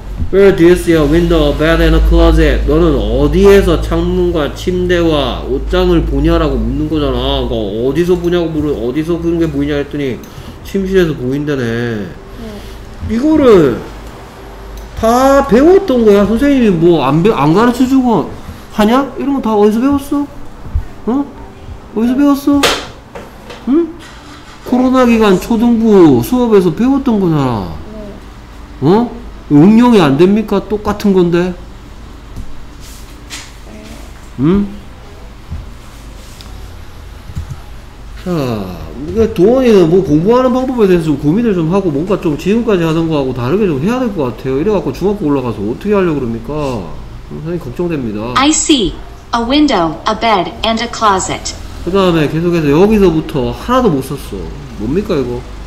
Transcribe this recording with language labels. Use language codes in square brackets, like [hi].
[en] Where do you see a window, a bed, and a closet? [ko] 너는 어디에서 창문과 침대와 옷장을 보냐라고 묻는 거잖아. 그러니까 어디서 보냐고 물어, 어디서 보는 게 보이냐 했더니 침실에서 보인다네. 네. 이거를 다 배웠던 거야. 선생님이 뭐 안 가르쳐 주고 하냐? 이런 거 다 어디서 배웠어? 응? 어디서 배웠어? 응? 코로나 기간 초등부 수업에서 배웠던 거잖아. 네. 응? 응용이 안 됩니까? 똑같은 건데. 응? 자, 도원이는 뭐 공부하는 방법에 대해서 좀 고민을 좀 하고 뭔가 좀 지금까지 하던 거하고 다르게 좀 해야 될 것 같아요. 이래갖고 중학교 올라가서 어떻게 하려고 그럽니까? 선생님 걱정됩니다. [en] I see a window, a bed, and a closet. [ko] 그 다음에 계속해서 여기서부터 하나도 못 썼어. 뭡니까 이거?